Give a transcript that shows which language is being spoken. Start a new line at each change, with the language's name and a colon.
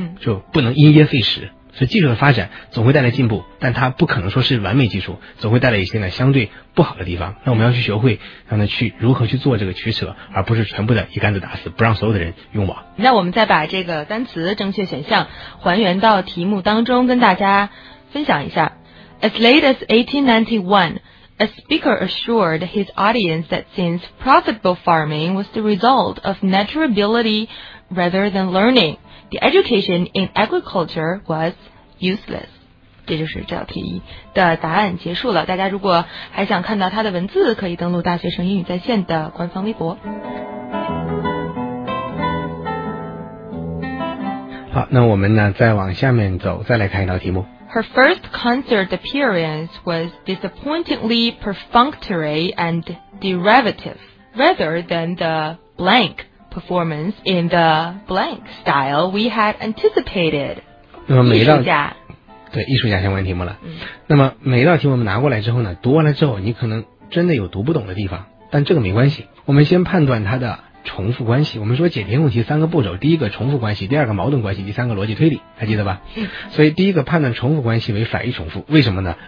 Chinese: 就不能因噎废食。所以技术的发展总会带来进步，但它不可能说是完美技术，总会带来一些呢相对不好的地方。那我们要去学会让它去如何去做这个取舍，而不是全部的一竿子打死，不让所有的人用网。那我们再把这个单词正确选项还原到题目当中跟大家分享一下。
English: As late as 1891, a speaker assured his audience that since profitable farming was the result of natural ability rather than learning,The education in agriculture was useless.
Chinese: 这就是这道题的答案结束了。大家如果还想看到它的文字，可以登录大学生英语在线的官方微博。好，那我们呢，再往下面走，再来看一道题目。
English: Her first concert appearance was disappointingly perfunctory and derivative, rather than the blank. performance in the blank style we had anticipated.
Chinese: 那么每一道艺术家，对艺术家相关题目了。那么每一道题我们拿过来之后呢，读完了之后你可能真的有读不懂的地方，但这个没关系，我们先判断它的重复关系。我们说解填空题三个步骤，第一个重复关系，第二个矛盾关系，第三个逻辑推理，还记得吧？所以第一个判断重复关系为反义重复，为什么呢？